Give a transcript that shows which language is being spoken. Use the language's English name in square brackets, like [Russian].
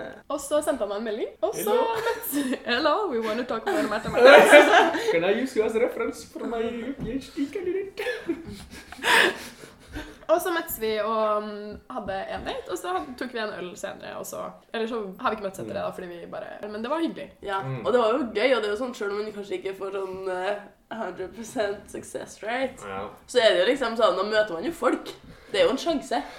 [Norwegian] Og så sendte han meg en melding, og så... [English] Hello, we want to talk about Martha Martha. Can I use you as reference for my PhD candidate? [Norwegian] Og så møttes vi og hadde en date, og så tok vi en øl senere, og så... Eller så har vi ikke møttes etter det da, fordi vi bare... Men det var hyggelig. Ja, og det var jo gøy, og det er jo sånn, selv om vi kanskje ikke får sånn 100% success rate, så er det jo liksom sånn, nå møter man jo folk. Det er jo en sjanse.